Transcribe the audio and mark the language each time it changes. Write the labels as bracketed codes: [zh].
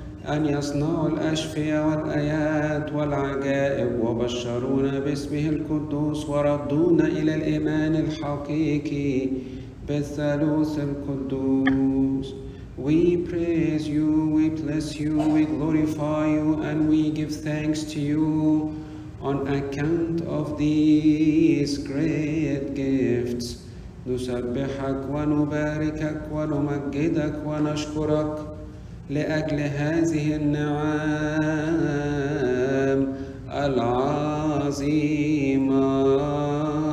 [ar] يصنعوا الأشفياء والآيات والعجائب وبشرونا باسمه القدوس وردونا إلى الإيمان الحقيقي بالثالوث القدوس. [en] We praise you, we bless you, we glorify you, and we give thanks to you on account of these great gifts. [ar] نسبحك ونباركك ونمجدك ونشكرك لأجل هذه النعم العظيمة.